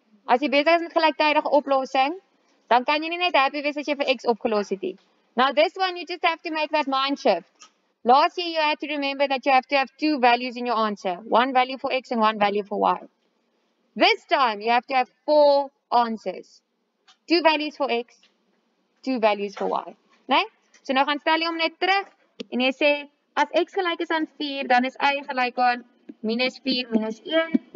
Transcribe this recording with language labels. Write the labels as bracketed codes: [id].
[af] As jy besig is met gelyktydige oplossing, dan kan jy nie net happy wees as jy vir x opgelos het nie. [en] Now this one you just have to make that mind shift. Last year you had to remember that you have to have two values in your answer. One value for x and one value for y. This time you have to have four answers. Two values for x, two values for y. Né? [af] So nou gaan stel jy hom net terug en jy sê as x gelyk is aan 4 dan is y gelyk aan minus 4 minus 1.